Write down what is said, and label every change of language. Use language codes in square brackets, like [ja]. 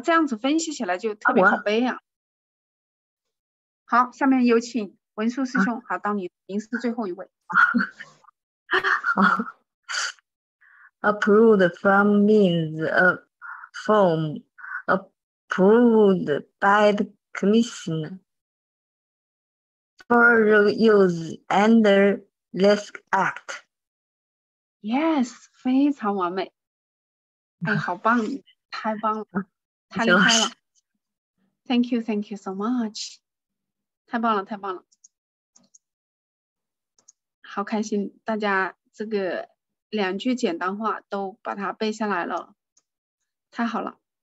[zh] 这样子分析起来就特别好背呀、啊。好，下面有请文殊师兄。好，当您是最后一位。 [en] 好 ，approved from means a form approved by the commission for use under this act. [zh] Yes, 非常完美。哎，好棒，太棒了，太厉害了。 [en] Thank you so much. [zh] 太棒了，太棒了。好开心，大家这个两句简单话都把它背下来了，太好了。